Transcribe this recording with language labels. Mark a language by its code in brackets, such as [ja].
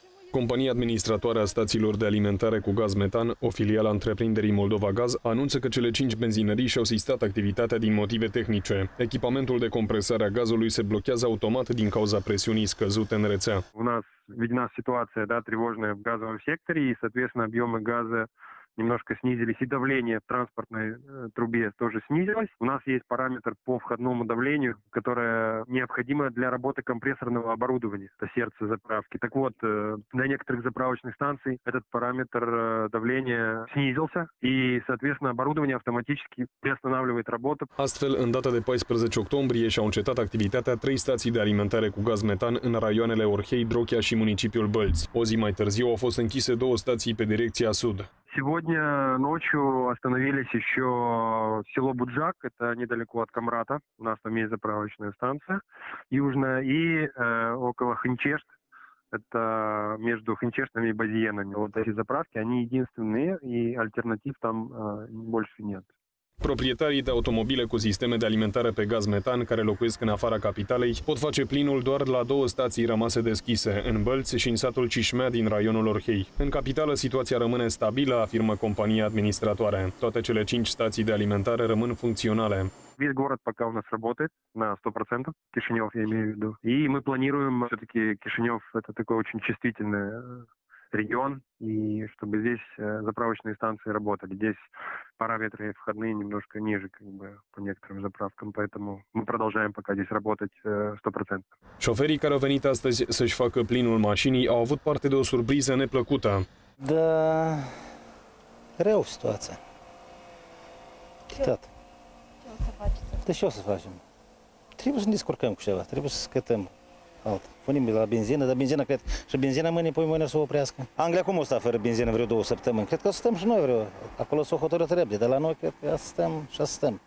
[ro] Compania administratoare a stațiilor de alimentare cu gaz metan, o filială a întreprinderii Moldova Gaz, anunță că cele 5 benzinării și-au sistat activitatea din motive tehnice. Echipamentul de compresare a gazului se blochează automat din cauza presiunii scăzute în rețea. [ru] У нас видна ситуация, да, тревожная в газовом секторе, и, соответственно, объемы газа немножко снизились, и давление в транспортной трубе тоже снизилось. У нас есть параметр по входному давлению, которое необходимо для работы компрессорного оборудования, это сердце заправки. Так вот, на некоторых заправочных станциях этот параметр давления снизился, и, соответственно, оборудование автоматически приостанавливает работу. [ro] Astfel, în data de 14 octombrie și-au încetat activitatea trei stații de alimentare cu gaz metan în raioanele Orhei, Drochia și municipiul Bălți. O zi mai târziu au fost închise două stații pe direcția sud. [ru] Сегодня ночью остановились еще село Буджак, это недалеко от Камрата, у нас там есть заправочная станция южная, и около Хинчешт, это между Хинчештами и Базиенами. Вот эти заправки, они единственные, и альтернатив там больше нет. [ro] Proprietarii de automobile cu sisteme de alimentare pe gaz metan, care locuiesc în afara capitalei, pot face plinul doar la două stații rămase deschise, în Bălți și în satul Cișmea din raionul Orhei. În capitală, situația rămâne stabilă, afirmă compania administratoare. Toate cele cinci stații de alimentare rămân funcționale. [ru] Весь город пока у нас работает на 100%, Кишинев я имею в виду. И мы планируем, все-таки Кишинев – это такой очень чувствительный регион, и чтобы здесь заправочные станции работали. Здесь параметры входные немножко ниже, как бы, по некоторым заправкам, поэтому мы продолжаем пока здесь работать 100%. Шоферы, которые [ro] venit astăzi să-și facă plinul mașinii, au avut parte de o surpriză neplăcută. [ru] Да, рău ситуация. [ro] Tot. [ru] Да что [ro] să facem? Trebuie să ne descurcăm cu ceva, trebuie să scătăm. Punem la benzină, dar benzină cred, și benzină mâine, pui mâine să oprească. Anglia cum o stă fără benzină vreo două săptămâni? Cred că stăm și noi vreo, acolo s-o hotărât repede, dar la noi cred că stăm și stăm.